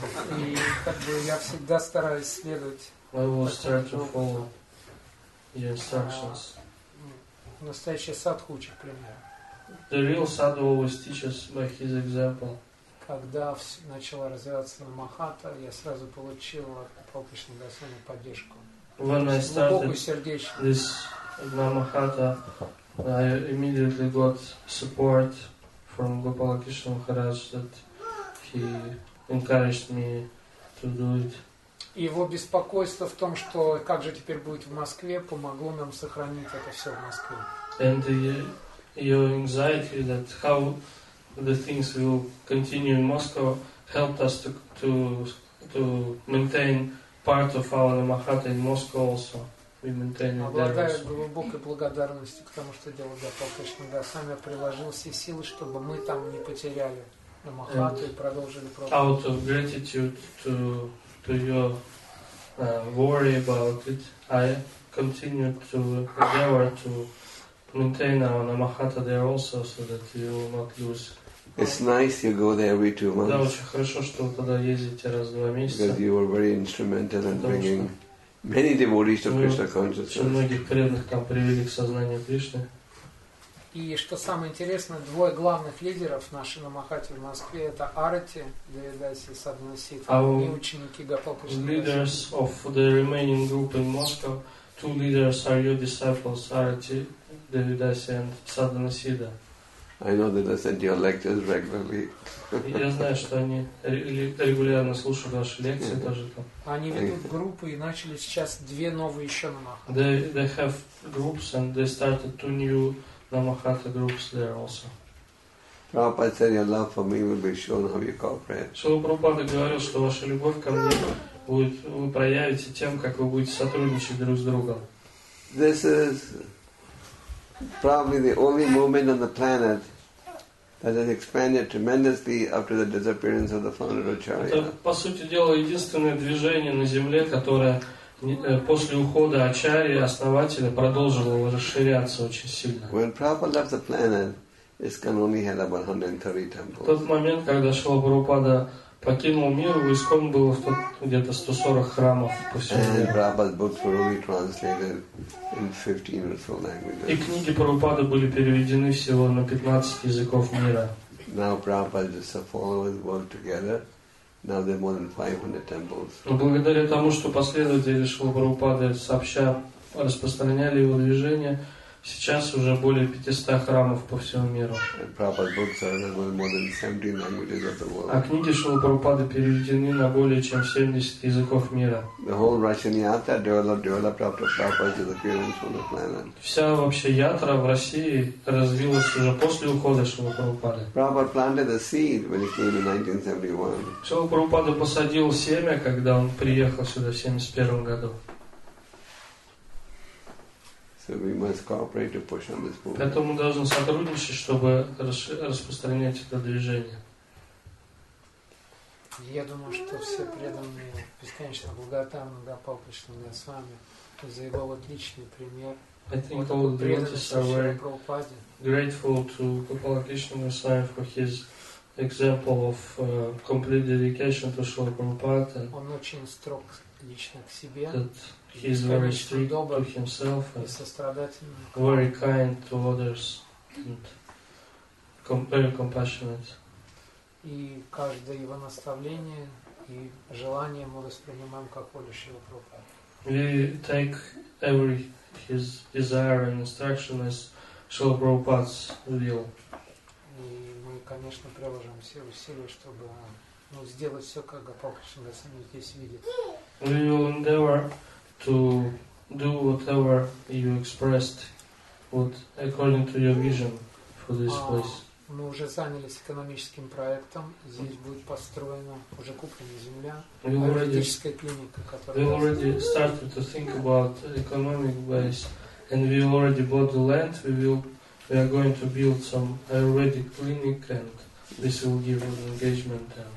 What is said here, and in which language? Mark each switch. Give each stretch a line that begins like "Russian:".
Russian: И как бы я всегда стараюсь следовать.
English: I will start to follow your instructions.
Russian: Настоящий садху учит пример.
English: The real sadhu always teaches by his example.
Russian: Когда начала развиваться Намахата, я сразу получил от Прабхупады Госвами поддержку.
English: When I started this Намахата, I immediately got support from Gopala Krishna Maharaj that he encouraged me to do it.
Russian: Его беспокойство в том, что как же теперь будет в Москве, помогло нам сохранить это все в Москве.
English: And your anxiety that how the things will continue in Moscow helped us to maintain part of our Namahata in Moscow also. We maintain it there also.
Russian: Обладаю глубокой благодарностью к тому, что делал Гопал Кришна Госвами, приложил все силы, чтобы мы там не потеряли Намахату и продолжили пробовать.
English: Out of gratitude to your worry about it, I continue to endeavor to maintain our Namahata there also, so that you will not lose. It's nice you go there every 2 months.
Russian: Да, очень хорошо, что вы туда ездите раз в два месяца.
English: Because you were very instrumental in bringing Many devotees of Krishna consciousness.
Russian: Многих преданных там привели к сознанию Кришны. И что самое интересное, двое главных лидеров нашей Намахати в Москве это Арати Девидаси Садхнасита и ученики Гопакришны.
English: Leaders of the remaining group in Moscow, two leaders are your disciples, Arati Devidasi and Sadhanasida. I know that they attend your lectures regularly.
Russian: Я знаю, что они регулярно слушают ваши лекции тоже там. Они ведут группу и начали сейчас две новые еще Намахати.
English: They have groups and they started two new Namahata groups there also. Prabhupada said your love for me will be shown how you cooperate.
Russian: Шрила Прабхупада говорил, что ваша любовь ко мне будет, вы проявите тем, как вы будете сотрудничать друг с другом.
English: This is probably the only movement on the planet that has expanded tremendously after the disappearance of the founder Acharya.
Russian: Это, по сути дела, единственное движение на Земле, которое после ухода Ачарьи, основателя, продолжило расширяться очень сильно.
English: When Prabhupada left the planet, ISKCON only had about 130 temples.
Russian: В тот момент, когда Шрила Прабхупада покинул мир, в ИСКОН было где-то 140 храмов по всему миру.
English: And Prabhupada's books were only translated in 15 or so languages.
Russian: И книги Прабхупады были переведены всего на 15 языков мира.
English: Now Prabhupada just followed his work together. Now there are more than 500 temples.
Russian: Но благодаря тому, что последователи Шрилы Прабхупады сообща распространяли его движение, сейчас уже более 500 храмов по всему миру.
English: And Prabhupada's books are in more than 70 languages of the world.
Russian: А книги Шрилы Прабхупады переведены на более чем 70 языков мира.
English: The whole Russian yatra developed after Prabhupada's appearance on the planet.
Russian: Вся вообще ятра в России развилась уже после ухода Шрилы Прабхупады.
English: Prabhupada planted the seed when he came in 1971.
Russian: Шрила Прабхупада посадил семя, когда он приехал сюда в 71 году.
English: We must cooperate to push on this movement.
Russian: Поэтому мы должны сотрудничать, чтобы распространять это движение. Я думаю, что все преданные бесконечно благодарны Гопал Кришна с вами за его отличный пример.
English: I think all the devotees are very grateful to Gopal Krishna Swami for his example of complete dedication to Srila Prabhupada.
Russian: Он очень строг лично к себе.
English: He is very strict to himself and very kind to others and very compassionate.
Russian: И каждое его наставление и желание мы воспринимаем как волю Шрилы Прабхупады.
English: We take every his desire and instruction as Srila Prabhupada's will.
Russian: И мы, конечно, приложим все усилия, чтобы сделать все, как Гопал Кришна сам здесь видит.
English: We will endeavor to do whatever you expressed, what according to your vision for this place.
Russian: Мы уже занялись экономическим проектом. Здесь будет построена уже куплена земля. Аюрведическая клиника, которая.
English: We already started to think about economic base, and we already bought the land. We are going to build some Aurvedic clinic, and this will give an engagement.